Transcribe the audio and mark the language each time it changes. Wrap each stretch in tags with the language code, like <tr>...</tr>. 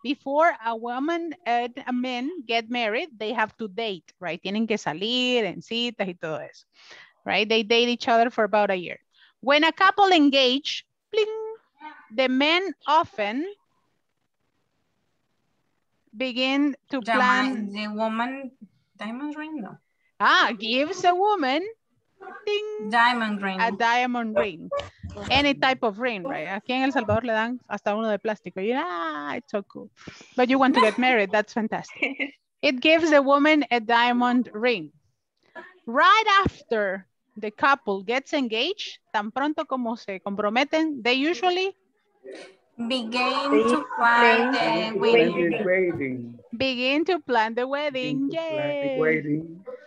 <en>Before a woman and a man get married, they have to date, right?</en> <es>Tienen que salir en citas y todo eso, right?</es> <en>They date each other for about a year. When a couple engage, the men often begin to plan. The woman diamond ring, no? Gives a woman a diamond ring. Any type of ring, right?</en> <es>Aquí en El Salvador le dan hasta uno de plástico.</es> <en>It's so cool. But you want to get married, that's fantastic. It gives a woman a diamond ring. Right after the couple gets engaged,</en> <es>tan pronto como se comprometen,</es> <en>they usually begin to plan the wedding.</en>